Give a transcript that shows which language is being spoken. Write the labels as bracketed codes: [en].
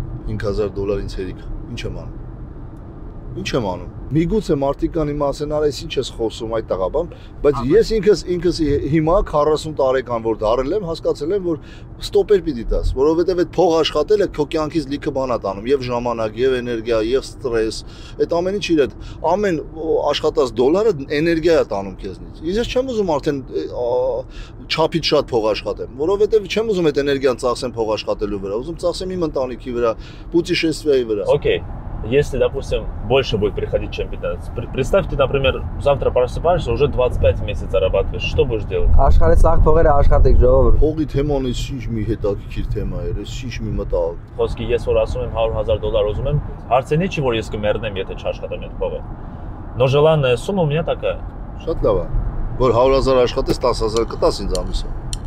[hy] 5000 դոլար ինձ հերիք։ Ինչ եմ անում։ Ինչ եմ անում։ Միգուցե մարտիկան իմ ասեն, արա ես ինչ ես խոսում այդ տղաբան, բայց ես ինքս հիմա 40 տարեկան որ դարել եմ, հասկացել եմ, որ ստոպեր պիտի տաս, որովհետև այդ փող աշխատելը քո կյանքից լիքը բան է տանում, եւ ժամանակ, եւ էներգիա, եւ ստրես, այդ ամեն ինչ իր հետ, ամեն աշխատած դոլարը էներգիա է տանում քեզնից։ Ես ես չեմ ուզում արդեն չափից շատ փող աշխատեմ, որովհետև չեմ ուզում այդ էներգիան ծախսեմ փող աշխատելու վրա, ուզում ծախսեմ իմ ընտանիքի վրա, պուտիշեսվեի վրա։ [en] Okay. [ru] Если, допустим, больше будет приходить, чем 15. Представьте, например, завтра просыпаешься, уже 25 месяцев зарабатываешь. Что будешь делать? [hy] Աշխարհի ցախ փողերը աշխատիկ ժողով։ Փողի թեման էս ինչ մի հետաքրքիր թեմա էր, էս ինչ մի մտավ։ Խոսքի ես որ ասում եմ 100000 դոլար ուզում եմ, հարցը ի՞նչ որ ես կմեռնեմ, եթե չաշխատեմ այդ փողը։ [ru] Но желанная сумма у меня такая. [hy] Շատ լավ է։ Որ 100000 աշխատես, 10000 կտաս ինձ ամիսը։